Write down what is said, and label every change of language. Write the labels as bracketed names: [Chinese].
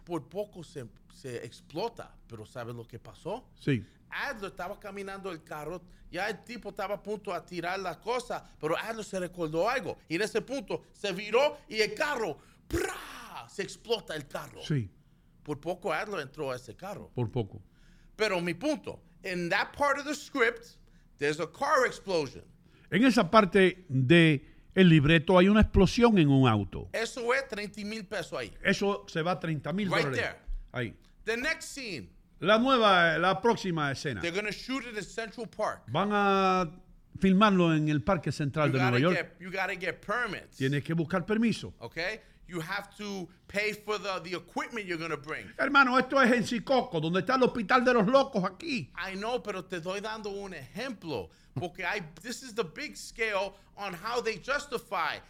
[Spanish] Por poco se explota, pero ¿sabes lo que pasó? Sí. Adler estaba caminando el carro, ya el tipo estaba a punto de tirar la cosa, pero Adler se recordó algo. Y en ese punto se viró y el carro, ¡prá! Se explota el carro. Sí. Por poco Adler entró a ese carro. Por poco. Pero mi punto, [English] in that part of the script, there's a car explosion. [Spanish] En esa parte de el libreto hay una explosión en un auto. Eso es 30 mil pesos ahí. Eso se va a 30 mil [English] right [Spanish] dólares. [English] There. [Spanish] Ahí. [English] The next scene. [Spanish] La próxima escena. [English] They're gonna shoot it in Central Park. [Spanish] Van a filmarlo en el Parque Central [English] you [Spanish] de Nueva York. [English] You gotta get permits. [Spanish] Tienes que buscar permiso. [English] Okay? You have to pay for the equipment you're gonna bring. [Spanish] Hermano, esto es en Sicoco, donde está el hospital de los locos aquí. [English] I know, [Spanish] pero te estoy dando un ejemplo. [English] Porque this is the big scale on how they justify.